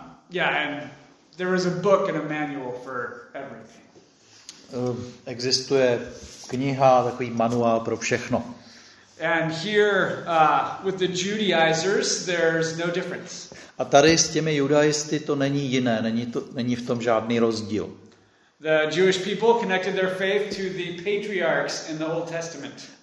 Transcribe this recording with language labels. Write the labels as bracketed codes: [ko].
[en] Yeah, and there is a book and a manual for everything. [cs] Existuje kniha, takový manuál pro všechno. [en] And here, with the Judaizers, there's no difference. [cs] A tady s těmi judaisty to není jiné, není v tom žádný rozdíl. [en] The Jewish people connected their faith to the patriarchs in the Old Testament.